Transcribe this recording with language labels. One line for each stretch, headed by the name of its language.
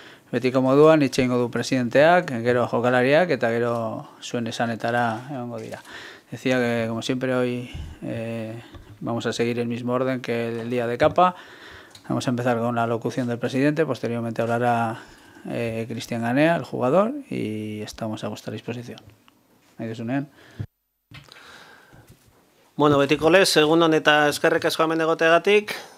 Basque: Betiko moduan hitz egingo du presidenteak, gero jokalariak eta gero zuen esanetara egongo dira.
Spanish: Decía que como siempre hoy vamos a seguir el mismo orden que el día de Capa. Vamos a empezar con la locución del presidente, posteriormente hablará Cristian Ganea, el jugador, y estamos a vuestra disposición. Aizunean.
Basque: Bueno, betiko lez, egunon eta eskerrik asko hemen egoteagatik.